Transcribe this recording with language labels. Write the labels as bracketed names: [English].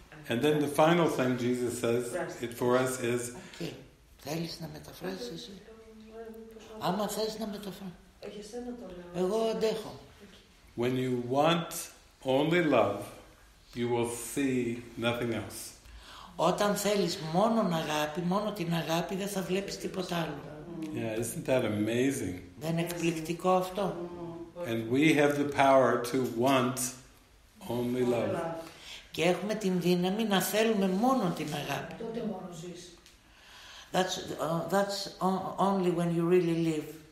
[English] And then the final thing Jesus says it for us is. [Greek] Θέλεις να μεταφράσεις; Άμα θες να μεταφράσεις. Εγώ αντέχω. [English] When you want only love, you will see nothing else. [Greek] Όταν θέλεις μόνο αγάπη, μόνο την αγάπη, δεν θα βλέπεις τίποτα άλλο. [English] Yeah, isn't that amazing? [Greek] Δεν είναι εκπληκτικό αυτό; [English] And we have the power to want. Only love. [Greek] Και έχουμε την δύναμη να θέλουμε μόνο την αγάπη. Τότε μόνο ζεις. [English] That's only when you really live.